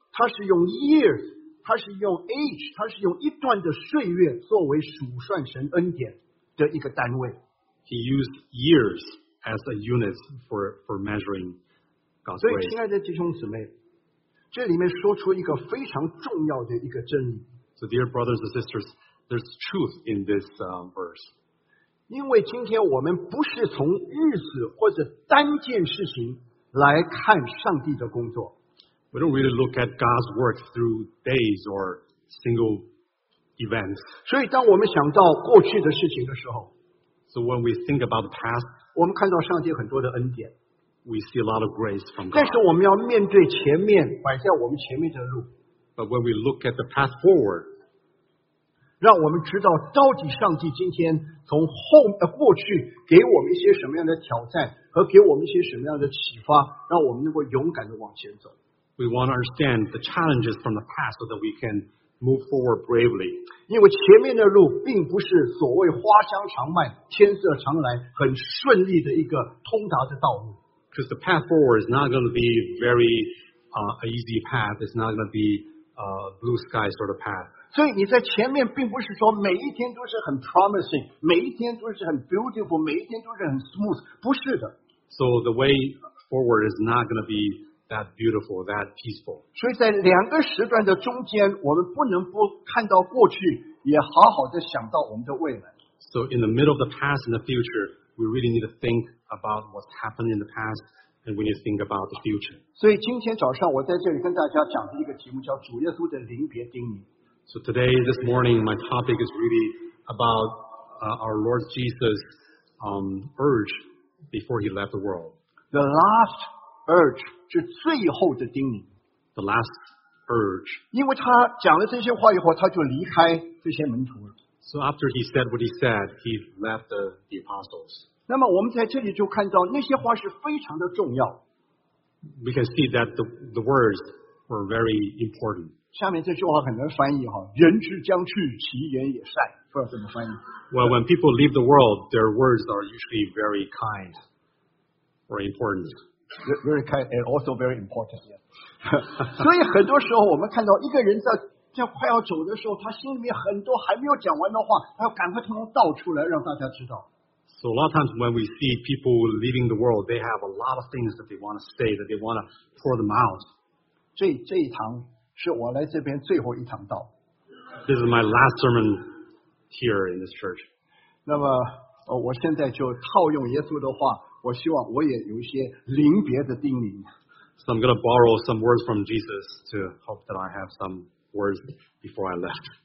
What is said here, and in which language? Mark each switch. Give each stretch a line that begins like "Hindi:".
Chinese: 他是用 years. 他是用 age， 他是用一段的岁月作为数算神恩典的一个单位。
English: He used years as a unit for measuring God's grace.
Chinese: 所以，亲爱的弟兄姊妹，这里面说出一个非常重要的一个真理。
English: So dear brothers and sisters, there's truth in this verse.
Chinese: 因为今天我们不是从日子或者单件事情来看上帝的工作。
English: We don't really look at God's work through days or single events.
Chinese: 所以当我们想到过去的事情的时候，
English: So when we think about the past,
Chinese: 我们看到上帝很多的恩典，
English: We see a lot of grace from God.
Chinese: 但是我们要面对前面摆在我们前面的路，
English: But when we look at the past forward,
Chinese: 让我们知道到底上帝今天从过去给我们一些什么样的挑战和给我们一些什么样的启发，让我们能够勇敢地往前走。
English: We want to understand the challenges from the past so that we can move forward bravely.
Chinese: 因为前面的路并不是所谓花香常卖天色常来很顺利的一个通达的道路。
English: Because the path forward is not going to be very easy path. It's not going to be a blue sky sort of path.
Chinese: 所以你在前面并不是说每一天都是很 promising, 每一天都是很 beautiful, 每一天都是很 smooth. 不是的。
English: So the way forward is not going to be... That beautiful, that peaceful.
Chinese: 所以在两个时段的中间，我们不能不看到过去，也好好的想到我们的未来。
English: So in the middle of the past and the future, we really need to think about what's happened in the past, and we need to think about the future.
Chinese: 所以今天早上我在这里跟大家讲的一个题目叫主耶稣的临别叮咛。
English: So today, this morning, my topic is really about our Lord Jesus' urge before he left the world. The last urge.
Chinese: 是最后的叮咛
English: The last urge
Chinese: 因为他讲了这些话以后他就离开这些门徒了
English: So after he said what he said he left the apostles
Chinese: 那么我们在这里就看到那些话是非常的重要
English: We can see that the words were very important
Chinese: 下面这句话很难翻译人之将去其言也善不知道怎么翻译
English: Well when people leave the world their words are usually very kind or important Very kind and also very important.、Yeah.
Chinese: 所以很多时候我们看到一个人在快要走的时候，他心里面很多还没有讲完的话，他要赶快通通道出来让大家知道。
English: So a lot of times when we see people leaving the world, they have a lot of things that they want to say, that they want to pour them out.
Chinese: 这一堂是我来这边最后一堂道。
English: this is my last sermon here in this church.
Chinese: 那么，我现在就套用耶稣的话，我希望我也有一些临别的叮咛。
English: So I'm going to borrow some words from Jesus to hope that I have some words before I left.